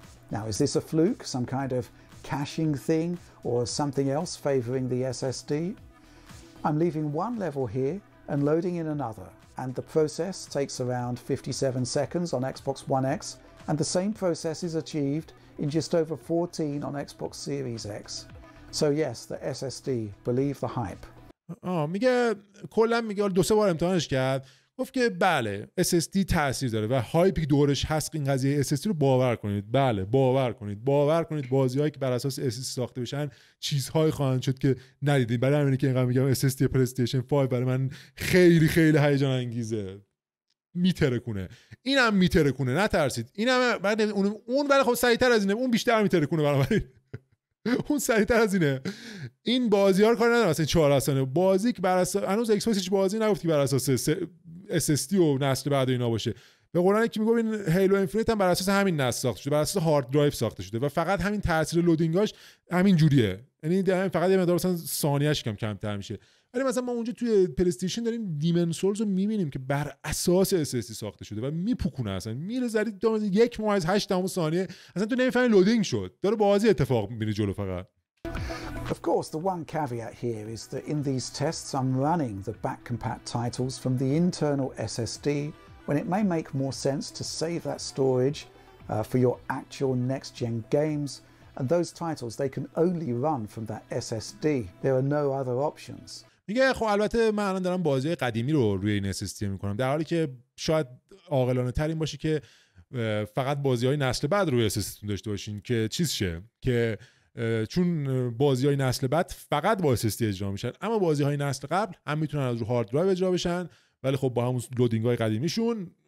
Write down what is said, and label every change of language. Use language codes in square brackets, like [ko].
[en] Now is this a fluke, some kind of caching thing or something else favoring the SSD? I'm leaving one level here and loading in another, and the process takes around 57 seconds on Xbox One X, and the same process is achieved in just over 14 on Xbox Series X. So yes, the SSD, believe the hype. [fa] میگه کلا میگه دو سه بار امتحانش کرد، گفت که بله SSD تاثیر داره و هایپی دورش هست این قضیه SSD رو، باور کنید. بله باور کنید، باور کنید بازیهایی که بر اساس SSD ساخته بشن چیزهایی خواهند شد که ندیدید. برای همینه که اینقدر میگم SSD PlayStation 5 برای من خیلی خیلی هیجان انگیزه، میترکونه. اینم میترکونه، نترسید. اینم بعد اون ولی خب سریعتر از اینه، اون بیشتر میترکونه برای اون سریعتر از اینه. این بازی ها رو کار ندارم مثلا 4 اصلا بازی که بر اساس هنوز اکسپوکس هیچ بازی نگفت که بر اساس SSD و نسل بعد اینا باشه. به قولانه که میگم این هیلو اینفینیت هم بر اساس همین نسل ساخته شده، بر اساس هارد درایو ساخته شده و فقط همین تاثیر لودینگاش همین جوریه، یعنی دقیقاً فقط یه مقدار مثلا ثانیه‌اش کمتر میشه. ولی مثلا ما اونجا توی پلی استیشن داریم دیمن سولز رو میبینیم که بر اساس SSD ساخته شده و میپکونه اصلا، میره زرید دو 1.8 ثانیه اصلا تو نمیفهمی لودینگ شد، داره بازی اتفاق میبینه جلو فقط. [en] Of course, the one caveat here is that in these tests I'm running the backcompat titles from the internal SSD when it may make more sense to save that storage for your actual next gen games, and those titles they can only run from that SSD. There are no other options. [fa] میگه خب البته من الان دارم بازی قدیمی رو روی این SSD میکنم، در حالی که شاید عاقلانه تر این باشه که فقط بازی های نسل بعد روی SSD داشته باشین که چیز شه، که چون بازی های نسل بعد فقط با SSD اجرا میشن، اما بازی های نسل قبل هم میتونن از رو هارد درایو اجرا بشن ولی خب با همون لودینگ های قدیمیشون.